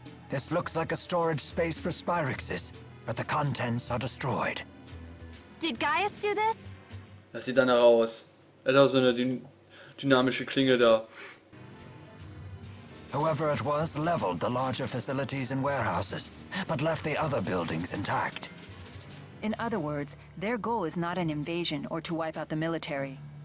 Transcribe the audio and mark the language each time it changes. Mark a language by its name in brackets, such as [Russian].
[English] This looks like a storage space for Spyrexes, but the contents are destroyed. Did Gaius do this? [German] Das sieht danach aus. Er hat auch so eine dynamische Klinge da. [English] Whoever it was leveled the larger facilities and warehouses, but left the other buildings intact. In other words, their goal is not an invasion or to wipe out the military.